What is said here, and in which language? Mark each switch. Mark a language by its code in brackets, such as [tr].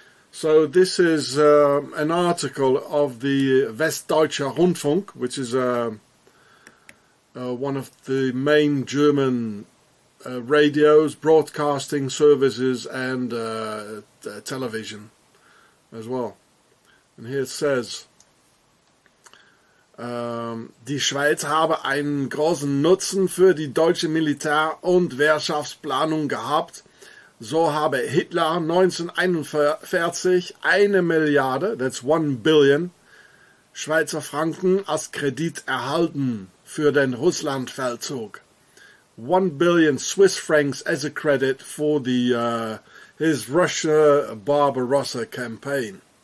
[en] So this is an article of the Westdeutscher Rundfunk, which is one of the main German radios, broadcasting services, and television as well. And here it says, [de] die Schweiz habe einen großen Nutzen für die deutsche Militär- und Wirtschaftsplanung gehabt. So habe Hitler 1941 eine Milliarde, [en] that's 1 billion, [de] Schweizer Franken als Kredit erhalten für den Russlandfeldzug. [en] 1 billion Swiss francs as a credit for the his Russia Barbarossa campaign.